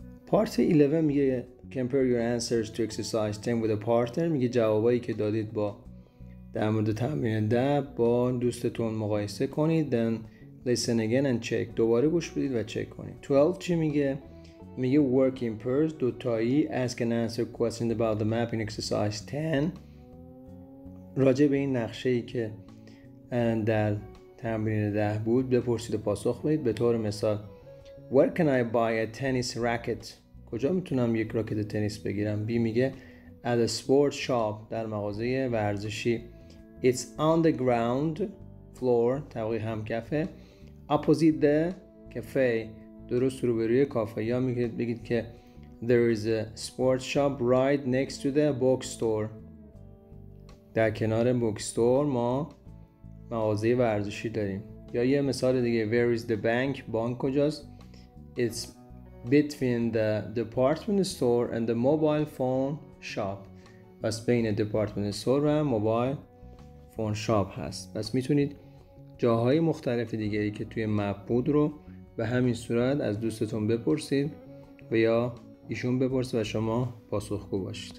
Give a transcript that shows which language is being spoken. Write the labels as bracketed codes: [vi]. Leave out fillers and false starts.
[en] Part 11 [fa] میگه [en] Compare your answers to exercise 10 with a partner. [fa] میگه جوابایی که دادید با در مورد تمرین 10 با دوستتون مقایسه کنید. [en] Then listen again and check. [fa] دوباره گوش بدید و چک کنید. 12 چی میگه؟ میگه [en] work in pairs. [fa] دوتایی. [en] Ask and answer questions about the map in exercise 10. [fa] راجع به این نقشه‌ای که در تمرین 10 بود بپرسید و پاسخ بدید. به طور مثال [en] Where can I buy a tennis racket? [fa] کجا میتونم یک راکت تنیس بگیرم؟ بی میگه [en] At a sports shop [fa] در مغازه ورزشی. [en] It's on the ground floor [fa] طبقه همکفه. [en] Opposite the cafe [fa] درست روبروی کافه. یا میگید بگید که [en] There is a sports shop right next to the bookstore. [fa] در کنار bookstore ما مغازه ورزشی داریم. یا یه مثال دیگه [en] Where is the bank? [fa] بانک کجاست؟ [en] It's between the department store and the mobile phone shop. [fa] پس بین department store و mobile phone shop هست. پس میتونید جاهای مختلف دیگری که توی مپ بود رو به همین صورت از دوستتون بپرسید و یا ایشون بپرسه و شما پاسخگو باشید.